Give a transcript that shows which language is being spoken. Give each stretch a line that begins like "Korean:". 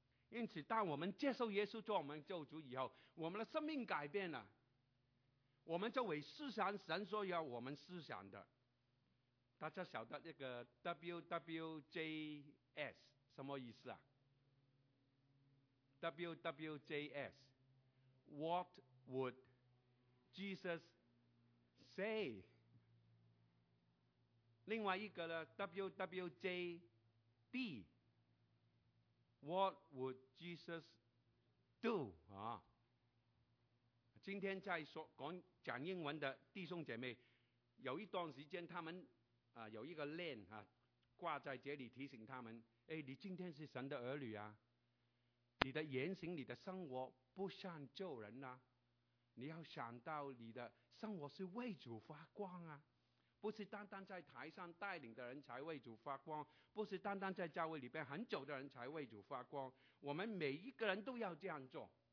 Chinese: 因此当我们接受耶稣做我们救主以后，我们的生命改变了，我们就会思想神所要我们思想的。大家晓得那个 WWJS 什么意思啊？
English: WWJS What would Jesus say？
Chinese: 另外一个呢
English: WWJD What would Jesus do？
Chinese: 啊，今天在说讲英文的弟兄姐妹，有一段时间他们啊有一个链啊挂在这里提醒他们，哎，你今天是神的儿女啊，你的言行你的生活不像旧人啊，你要想到你的生活是为主发光啊，不是单单在台上带领的人才为主发光，不是单单在教会里边很久的人才为主发光，我们每一个人都要这样做。